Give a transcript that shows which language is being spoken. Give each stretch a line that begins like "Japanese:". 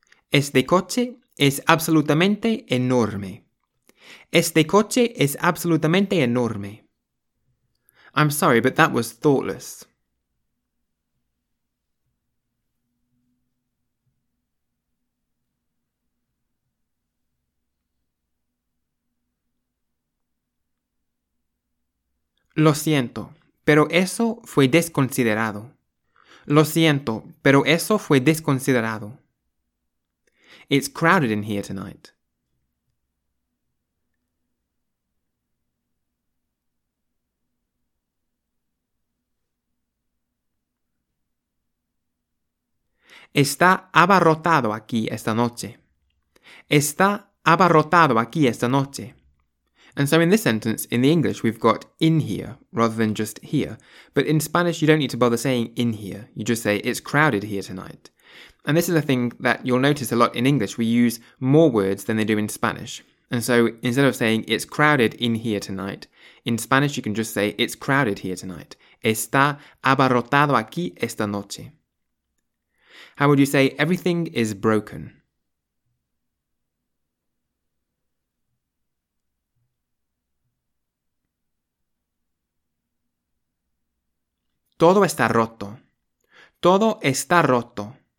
Spanish: Este coche es absolutamente enorme. Este coche es absolutamente enorme.
English: I'm sorry, but that was thoughtless.
Spanish: Lo siento, pero eso fue desconsiderado. Lo siento, pero eso fue desconsiderado.
English: It's crowded in here tonight.
Spanish: Está abarrotado aquí esta noche. Está abarrotado aquí esta noche.
English: And so in this sentence, in the English, we've got in here rather than just here. But in Spanish, you don't need to bother saying in here. You just say it's crowded here tonight. And this is a thing that you'll notice a lot in English. We use more words than they do in Spanish. And so instead of saying it's crowded in here tonight, in Spanish, you can just say it's crowded here tonight.
Spanish: Está abarrotado aquí esta noche.
English: How would you say everything is broken?
Spanish: Todo está roto. Todo está roto.